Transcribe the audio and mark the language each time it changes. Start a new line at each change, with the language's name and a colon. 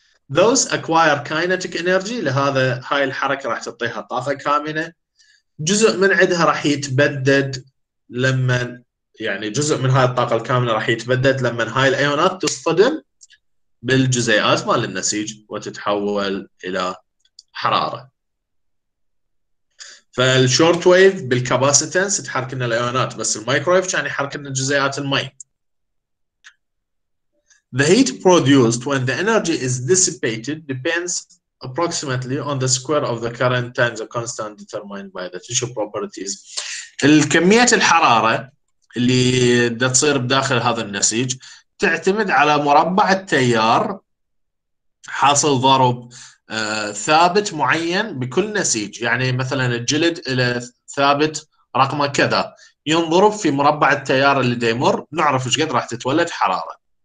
English: Those acquire kinetic energy،
Arabic: لهذا هاي الحركة راح تعطيها طاقة كامنة، جزء من عدها راح يتبدد لما يعني جزء من هاي الطاقة الكامنة راح يتبدد لما هاي الأيونات تصطدم بالجزيئات مال النسيج وتتحول الى حراره. فالشورت ويف بالكاباسيتنس تحرك لنا الايونات، بس المايكرويف كان يحرك لنا جزيئات المي.
English: The heat produced when the energy is dissipated depends approximately on the square of the current times a constant determined by the tissue properties.
Arabic: الكميه الحراره اللي تصير بداخل هذا النسيج تعتمد على مربع التيار حاصل ضرب ثابت معين بكل نسيج، يعني مثلا الجلد إلى ثابت رقمه كذا ينضرب في مربع التيار اللي ديمر نعرف ايش قد راح تتولد حرارة.